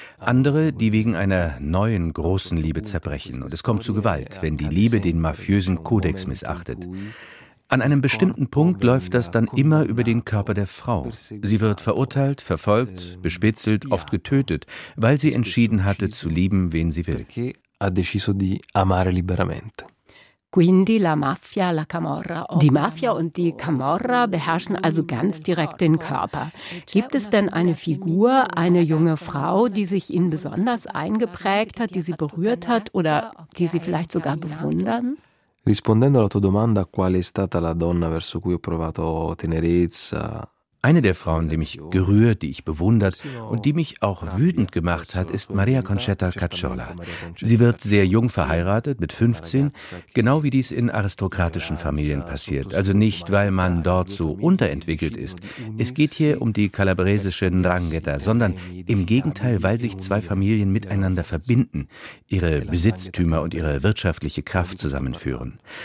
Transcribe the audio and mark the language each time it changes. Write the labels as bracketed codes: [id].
[de] Andere, die wegen einer neuen großen Liebe zerbrechen. Und es kommt zu Gewalt, wenn die Liebe den mafiösen Kodex missachtet. An einem bestimmten Punkt läuft das dann immer über den Körper der Frau. Sie wird verurteilt, verfolgt, bespitzelt, oft getötet, weil sie entschieden hatte, zu lieben, wen sie will. [it] Ha deciso di amare liberamente. Quindi la mafia, la camorra. [de] Die Mafia und die Camorra beherrschen also ganz direkt den Körper. Gibt es denn eine Figur, eine junge Frau, die sich Ihnen besonders eingeprägt hat, die Sie berührt hat oder die Sie vielleicht sogar bewundern? [it] Rispondendo alla tua domanda, quale è stata la donna verso cui ho provato tenerezza? [de] Eine der Frauen, die mich gerührt, die ich bewundert und die mich auch wütend gemacht hat, ist Maria Concetta Cacciola. Sie wird sehr jung verheiratet, mit 15, genau wie dies in aristokratischen Familien passiert. Also nicht, weil man dort so unterentwickelt ist. Es geht hier um die kalabresische 'Ndrangheta, sondern im Gegenteil, weil sich zwei Familien miteinander verbinden, ihre Besitztümer und ihre wirtschaftliche Kraft zusammenführen.